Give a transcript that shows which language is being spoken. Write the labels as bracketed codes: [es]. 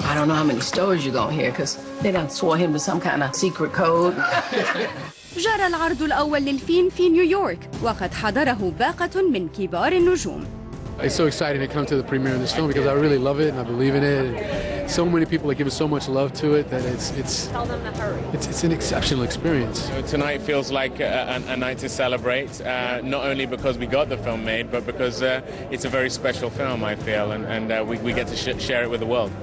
[en] I don't know how many stories you're going to hear because they done swore him to some kind of secret code. [ar] جرى العرض الأول للفيلم في نيويورك وقد حضره باقة من كبار النجوم. [en] It's so exciting to come to the premiere of this film because I really love it and I believe in it. And so many people have given so much love to it that it's tell them to hurry. It's an exceptional experience. Tonight feels like a night to celebrate, not only because we got the film made, but because it's a very special film, I feel, and we get to share it with the world.